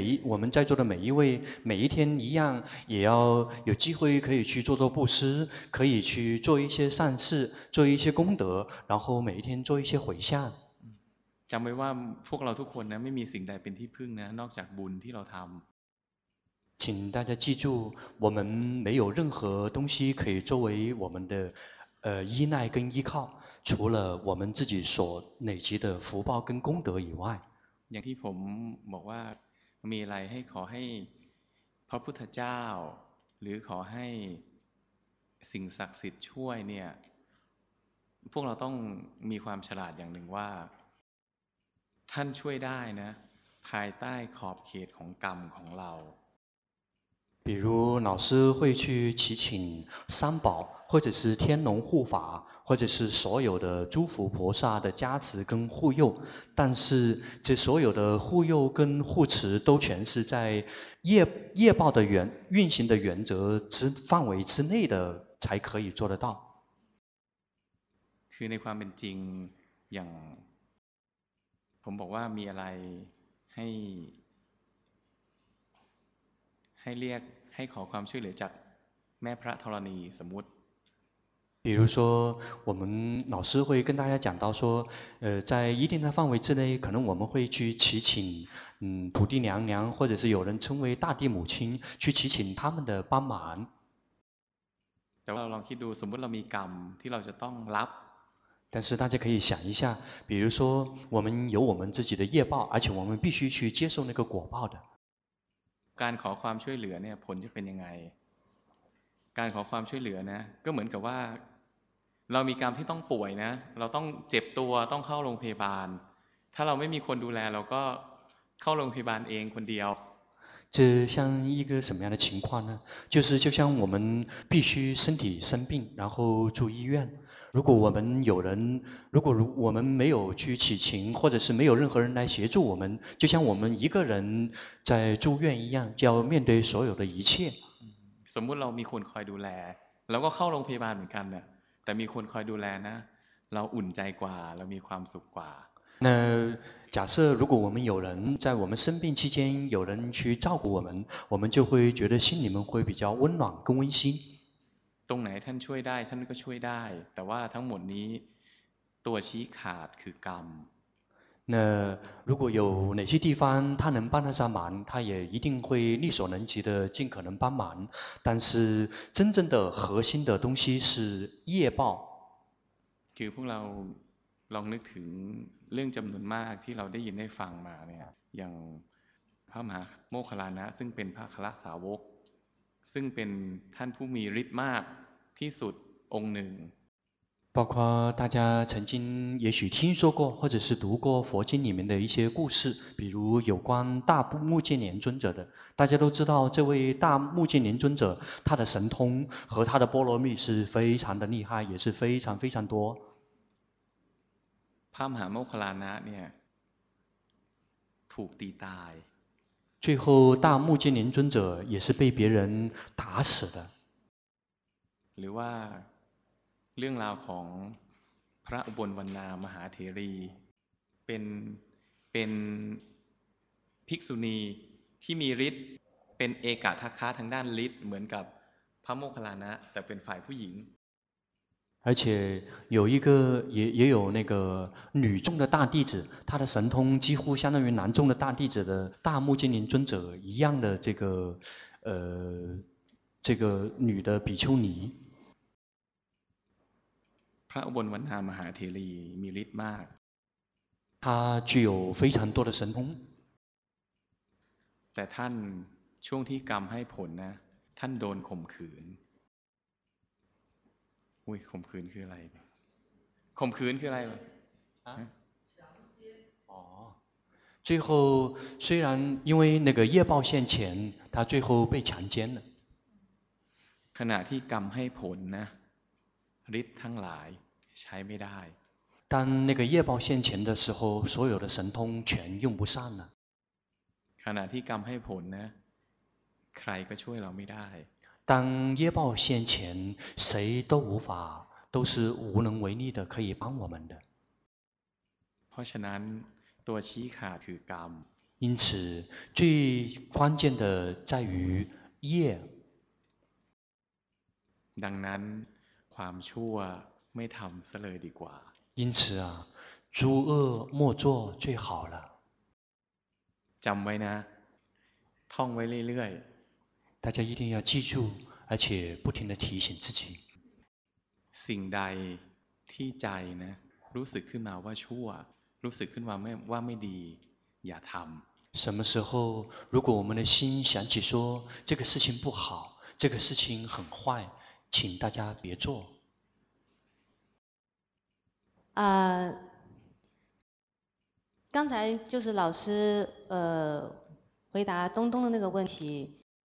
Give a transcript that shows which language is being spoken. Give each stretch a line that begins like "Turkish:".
Chinese: 我们在座的每一位每一天一样也要有机会可以去做布施可以去做一些善事做一些功德然后每一天做一些回向
Thai: จำไว้ว่าพวกเราทุกคนนะไม่มีสิ่งใดเป็นที่พึ่งนะนอกจากบุญที่เราทำ
Chinese: 请大家记住我们没有任何东西可以作为我们的依赖跟依靠除了我们自己所累积的福报跟功德以外
Thai: อย่างที่ผมบอกว่ามีอะไรให้ขอให้พระพุทธเจ้าหรือขอให้สิ่งศักดิ์สิทธิ์ช่วยเนี่ยพวกเราต้องมีความฉลาดอย่างหนึ่งว่าท่านช่วยได้นะภายใต้ขอบเขตของกรรมของเรา
Chinese: 比如老师会去祈请三宝，或者是天龙护法，或者是所有的诸佛菩萨的加持跟护佑，但是这所有的护佑跟护持都全是在 业报的原运行的原则之范围之内的才可以做得到。
Thai: คือในความเป็นจริงอย่างผมบอกว่ามีอะไรให้เรียกให้ขอความช่วยเหลือจากแม่พระธรณีสมมุติ
Chinese: 比如说我们老师会跟大家讲到说在一定的范围之内可能我们会去祈请土地娘娘或者是有人称为大地母亲去祈请他们的帮忙
Thai: แต่เราลองคิดดูสมมุติเรามีกรรมที่เราจะต้องรับ
Chinese: 但是大家可以想一下比如说我们有我们自己的业报而且我们必须去接受那个果报的
Thai: การขอความช่วยเหลือเนี่ยผลจะเป็นยังไงการขอความช่วยเหลือนะก็เหมือนกับว่าเรามีกรรมที่ต้องป่วยนะเราต้องเจ็บตัวต้องเข้าโรงพยาบาลถ้าเราไม่มีคนดูแลเราก็เข้าโรงพยาบาลเองคนเดียว
Chinese: 这像一个什么样的情况呢就是就像我们必须身体生病然后住医院如果我们有人如果我们没有去祈请或者是没有任何人来协助我们就像我们一个人在住院一样就要面对所有的一切
Thai: สมมุติเรามีคนคอยดูแลเราก็เข้าโรงพยาบาลเหมือนกันนะแต่มีคนคอยดูแลนะเราอุ่นใจกว่าเรามีความสุขกว่า
Chinese: 那假设如果我们有人在我们生病期间有人去照顾我们我们就会觉得心里面会比较温暖跟温馨
Thai: ตรงไหนท่านช่วยได้ท่านก็ช่วยได้แต่ว่าทั้งหมดนี้ตัวชี้ขาดคือกรรม
Chinese: 那如果有哪些地方他能帮得上忙他也一定会力所能及的尽可能帮忙但是真正的核心的东西是业报
Thai: คือพวกเราลองนึกถึงเรื่องจำนวนมากที่เราได้ยินได้ฟังมาเนี่ยอย่างพระมหาโมคคัลลานะซึ่งเป็นพระคละสาวกซึ่งเป็นท่านผู้มีฤทธิ์มากที่สุดองค์หนึ่ง
Chinese: 包括大家曾经也许听说过或者是读过佛经里面的一些故事比如有关大目犍连尊者的大家都知道这位大目犍连尊者他的神通和他的波罗蜜是非常的厉害也是非常非常多
Thai: พระมหาโมคคัลลานะเนี่ยถูกตีตาย
Chinese: 最后大目犍连尊者也是被别人打死的
Thai: หรือว่าเรื่องราวของพระอุบลวรรณามหาเถรีเป็นภิกษุณีที่มีฤทธิ์เป็นเอกทัคคะทางด้านฤทธิ์เหมือนกับพระโมคคัลลานะแต่เป็นฝ่ายผู้หญิง
Chinese: 而且有一个也有那个女众的大弟子他的神通几乎相当于男众的大弟子的大目犍连尊者一样的这个女的比丘尼
Thai: พระอุบลวรรณามหาเถรีมีฤทธิ์มาก
Chinese: 他具有非常多的神通
Thai: แต่ท่านช่วงที่กรรมให้ผลนะท่านโดนข่มขืนอุ้ยข่มขืนคืออะไรข่มขืนคืออะไร
Chinese: อ๋อ最后虽然因为那个业报现前他最后被强奸了
Thai: ขณะที่กรรมให้ผลนะฤทธิ์ทั้งหลายใช้ไม่ได้
Chinese: 当那个业报现前的时候所有的神通全用不上了
Thai: ขณะที่กรรมให้ผลนะใครก็ช่วยเราไม่ได้
Chinese: 当业报现前谁都无法都是无能为力的可以帮我们的
Thai: เพราะฉะนั้นตัวชี้ขาดคือกรรม
Chinese: 因此最关键的在于业
Thai: ดังนั้นความชั่วไม่ทำซะเลยดีกว่า
Chinese: 因此啊诸恶莫做最好了
Thai: จำไว้นะท่องไว้เรื่อย
Chinese: ๆ大家一定要记住而且不停地提醒自己
Thai: สิ่งใดที่ใจนะรู้สึกขึ้นมาว่าชั่วรู้สึกขึ้นมาว่าไม่ดีอย่าทำ
Chinese: 什么时候如果我们的心想起说这个事情不好这个事情很坏请大家别做刚才就是老师回答东东的那个问题